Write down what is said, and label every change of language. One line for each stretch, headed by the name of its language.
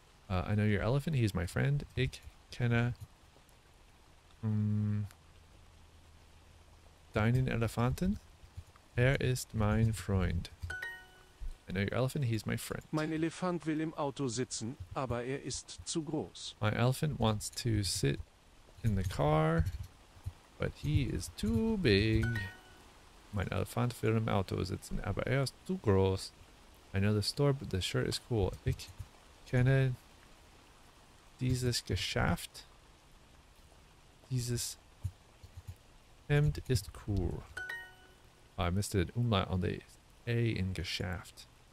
English: I know your elephant. He is my friend.
German: Ich kenne deinen Elefanten. Ist mein Freund.
English: I know your elephant. He is my friend.
German: Mein Elefant will im Auto sitzen, aber ist zu groß.
English: My elephant wants to sit in the car, but he is too big.
German: Mein Elefant will im Auto sitzen, aber ist zu groß.
English: I know the store, but the shirt is cool.
German: Ich kenne dieses Geschäft. Dieses Hemd ist cool.
English: I missed an umlaut on the A in Geschäft.